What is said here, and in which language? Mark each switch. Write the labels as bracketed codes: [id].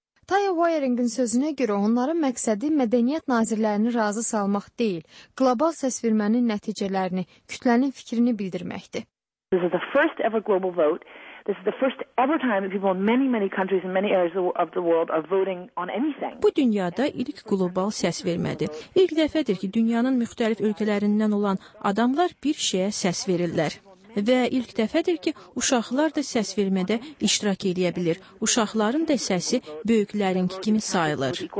[az] Taya Wiring'in sözünə görə onların məqsədi mədəniyyət nazirlərini razı salmaq deyil, qlobal səs vermənin nəticələrini, kütlənin fikrini bildirməkdir. [en] This is the first ever global vote. This is the first ever time that people in many, many countries and many areas of the world are voting on anything. [az] Bu dünyada ilk qlobal səs vermədir. İlk dəfədir ki, dünyanın müxtəlif ölkələrindən olan adamlar bir şeyə səs verirlər. Və ilk dəfədir ki, uşaqlar da səs vermədə iştirak edə bilir. Uşaqların da səsi böyüklərinki kimi sayılır.